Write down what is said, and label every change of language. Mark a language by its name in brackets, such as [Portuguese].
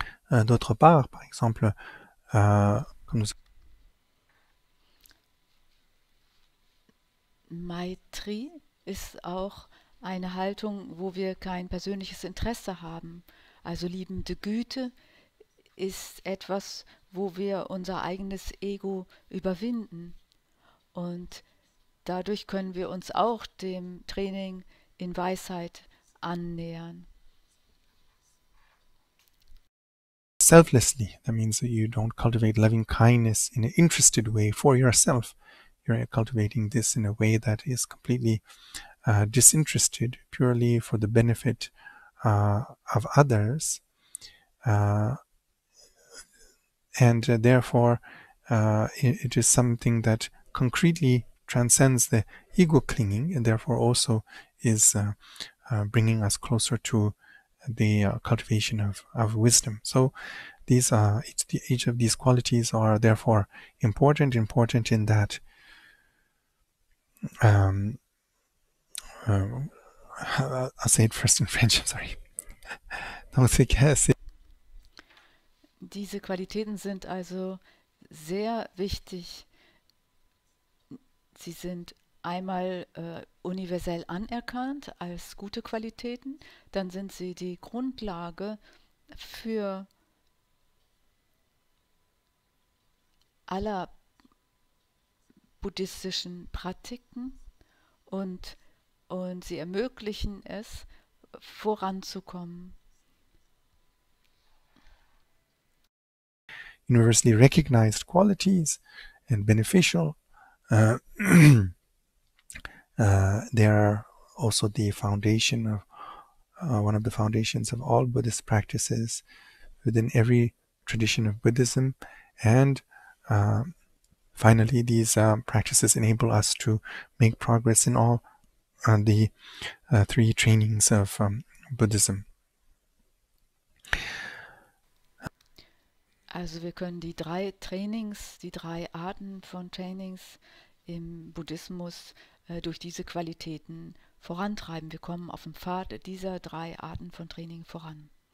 [French] D'autre part, par exemple, comme nous... [German] Maitri ist auch eine Haltung, wo wir kein persönliches Interesse haben. Also liebende Güte ist etwas, wo wir unser eigenes Ego überwinden. Und dadurch können wir uns auch dem Training in Weisheit annähern. [English] Selflessly, that means that you don't cultivate loving kindness in an interested way for yourself. You're cultivating this in a way that is completely disinterested, purely for the benefit of others. And therefore, it is something that concretely transcends the ego clinging and therefore also is bringing us closer to the cultivation of wisdom. So these each of these qualities are therefore important in that I'll say it first in French, I'm sorry. [French] Donc c'est [German] diese Qualitäten sind also sehr wichtig. Sie sind einmal universell anerkannt als gute Qualitäten, dann sind sie die Grundlage für aller buddhistischen Praktiken und sie ermöglichen es, voranzukommen. [English] Universally recognized qualities and beneficial they are also the foundation of one of the foundations of all Buddhist practices within every tradition of Buddhism. And finally, these practices enable us to make progress in all the three trainings of Buddhism. [German] Also wir können die drei Trainings, die drei Arten von Trainings im Buddhismus durch diese Qualitäten vorantreiben. Wir kommen auf dem Pfad dieser drei Arten von Training voran.